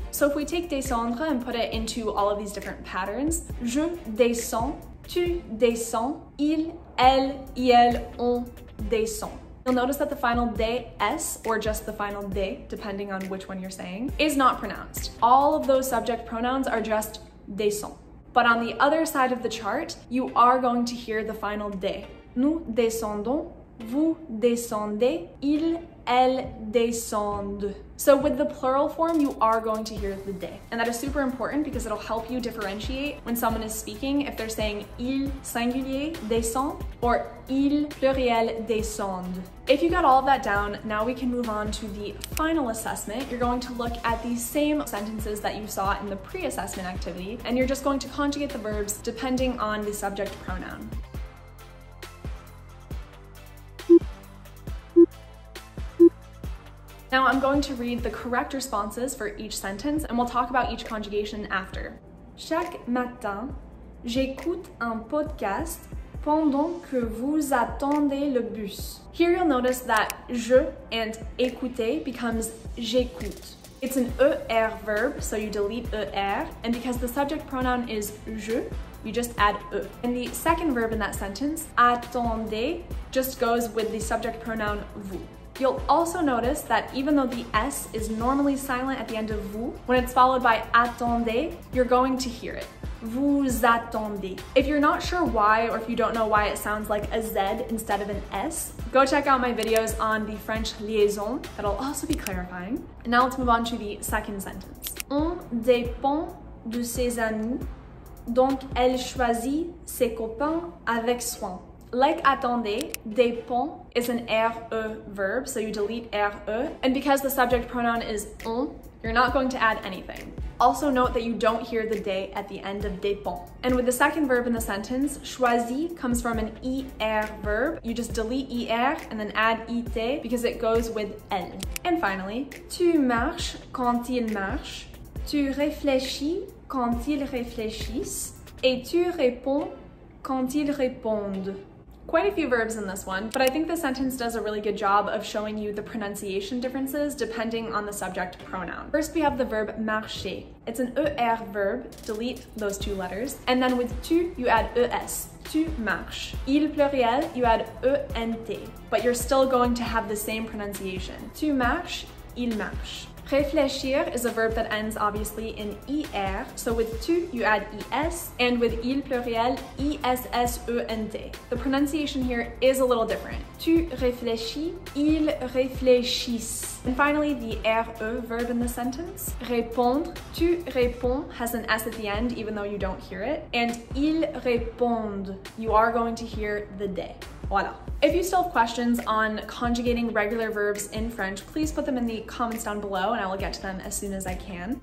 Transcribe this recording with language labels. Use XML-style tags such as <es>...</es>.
<en>So if we take descendre and put it into all of these different patterns,</en> <fr>je descends, tu descends, il, elle, iel, on descend.</fr> <en>You'll notice that the final des, or just the final de, depending on which one you're saying, is not pronounced. All of those subject pronouns are just descend. But on the other side of the chart, you are going to hear the final de.</en> <fr>Nous descendons, vous descendez, ils, elles descendent.</fr> <en>So with the plural form, you are going to hear the de. And that is super important because it'll help you differentiate when someone is speaking, if they're saying</en> <fr>il singulier descend</fr> <en>or</en> <fr>il pluriel descend.</fr> <en>If you got all of that down, now we can move on to the final assessment. You're going to look at the same sentences that you saw in the pre-assessment activity, and you're just going to conjugate the verbs depending on the subject pronoun. Now I'm going to read the correct responses for each sentence and we'll talk about each conjugation after.</en> <fr>Chaque matin, j'écoute un podcast pendant que vous attendez le bus.</fr> <en>Here you'll notice that je and écouter becomes j'écoute. It's an er verb, so you delete er, and because the subject pronoun is je, you just add e. And the second verb in that sentence, attendez, just goes with the subject pronoun vous. You'll also notice that even though the S is normally silent at the end of vous, when it's followed by attendez, you're going to hear it.</en> <fr>Vous attendez.</fr> <en>If you're not sure why, or if you don't know why it sounds like a Z instead of an S, go check out my videos on the French liaison. That'll also be clarifying. And now let's move on to the second sentence.</en> <fr>On dépend de ses amis, donc elle choisit ses copains avec soin.</fr> <en>Like attendez, dépend is an RE verb, so you delete RE. And because the subject pronoun is on, You're not going to add anything. Also note that you don't hear the day at the end of dépend. And with the second verb in the sentence, choisi comes from an ir verb. You just delete ir and then add it because it goes with elle. And finally,</en> <fr>tu marches quand il marche, tu réfléchis quand ils réfléchissent, et tu réponds quand ils répondent.</fr> <en>Quite a few verbs in this one, but I think the sentence does a really good job of showing you the pronunciation differences depending on the subject pronoun. First, we have the verb marcher. It's an ER verb, delete those two letters. And then with tu, you add ES,</en> <fr>tu marches.</fr> <en>Il pluriel, you add ENT, but you're still going to have the same pronunciation.</en> <fr>Tu marches, il marche.</fr> <en>Réfléchir is a verb that ends obviously in IR, so with tu, you add IS, and with il pluriel, ISSENT. The pronunciation here is a little different.</en> <fr>Tu réfléchis, il réfléchisse.</fr> <en>And finally, the RE verb in the sentence.</en> <fr>Répondre,</fr> <en>tu réponds has an S at the end, even though you don't hear it. And</en> <fr>ils répondent,</fr> <en>you are going to hear the D. Voilà. If you still have questions on conjugating regular verbs in French, please put them in the comments down below and I will get to them as soon as I can.</en>